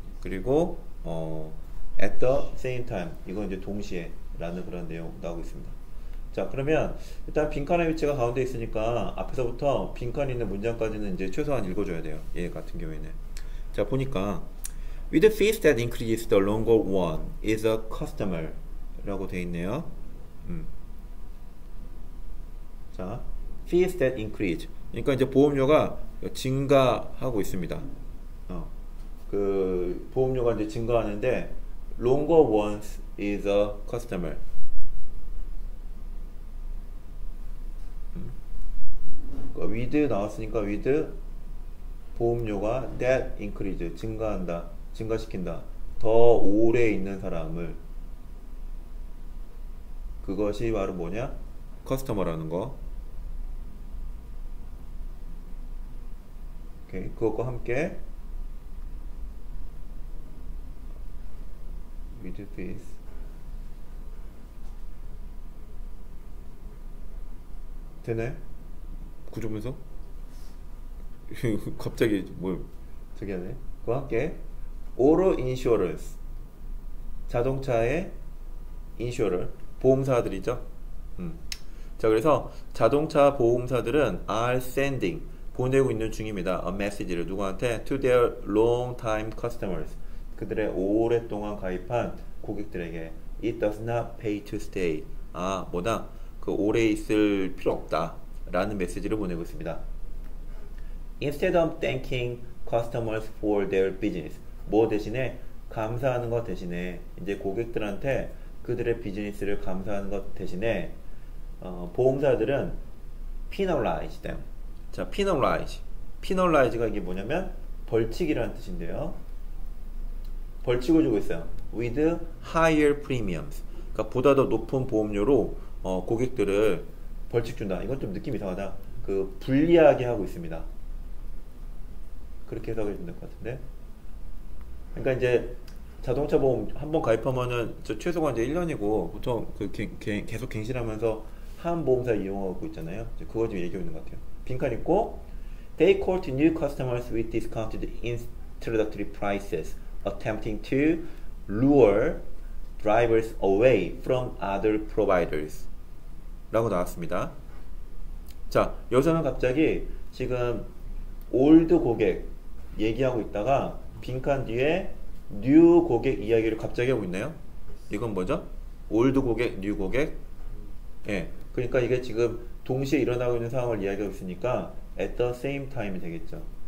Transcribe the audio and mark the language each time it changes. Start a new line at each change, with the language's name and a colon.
Korean: 그리고
English: at the same time,
Korean: 이건 이제 동시에라는 그런 내용 나오고 있습니다. 자, 그러면 일단 빈칸의 위치가 가운데 있으니까 앞에서부터 빈칸 있는 문장까지는 이제 최소한 읽어줘야 돼요. 얘 같은 경우에는.
English: 자, 보니까 with the fees that increase, the longer one is a customer
Korean: 라고 돼 있네요.
English: 자, fees that increase.
Korean: 그러니까 이제 보험료가 증가하고 있습니다. 그 보험료가 이제 증가하는데,
English: longer ones is a customer.
Korean: 그러니까 with 나왔으니까 with 보험료가
English: that increase
Korean: 증가한다, 증가시킨다. 더 오래 있는 사람을, 그것이 바로 뭐냐? customer라는 거. 오케이, 그것과 함께
English: with this
Korean: 되네? 구조문서? 갑자기 뭐 특이하네. 그와 함께 오로 인슈어런스, 자동차의 인슈어런, 보험사들이죠. 자, 그래서 자동차 보험사들은
English: are sending,
Korean: 보내고 있는 중입니다.
English: A message
Korean: 를 누구한테?
English: To their long time customers.
Korean: 그들의 오랫동안 가입한 고객들에게.
English: It does not pay to stay.
Korean: 아, 뭐다? 그 오래 있을 필요 없다. 라는 메시지를 보내고 있습니다.
English: Instead of thanking customers for their business.
Korean: 뭐 대신에? 감사하는 것 대신에. 이제 고객들한테 그들의 비즈니스를 감사하는 것 대신에, 보험사들은
English: penalize them. 자, penalize.
Korean: penalize가 이게 뭐냐면 벌칙이라는 뜻인데요. 벌칙을 주고 있어요.
English: with higher premiums.
Korean: 그러니까 보다 더 높은 보험료로 고객들을 벌칙 준다. 이건 좀 느낌 이상하다. 그 불리하게 하고 있습니다. 그렇게 해석해 주면 될것 같은데. 그러니까 이제 자동차 보험 한번 가입하면은 저 최소가 이제 1년이고, 보통 그 계속 갱신하면서 한 보험사 이용하고 있잖아요. 이제 그거 지금 얘기하고 있는 것 같아요.
English: 빈칸 있고, they court new customers with discounted introductory prices, attempting to lure drivers away from other providers.
Korean: 라고 나왔습니다. 자, 여기서는 갑자기 지금 올드 고객 얘기하고 있다가 빈칸 뒤에 뉴 고객 이야기를 갑자기 하고 있나요? 이건 뭐죠? 올드 고객, 뉴 고객. 예. 그러니까 이게 지금 동시에 일어나고 있는 상황을 이야기하고 있으니까
English: at the same time
Korean: 이 되겠죠.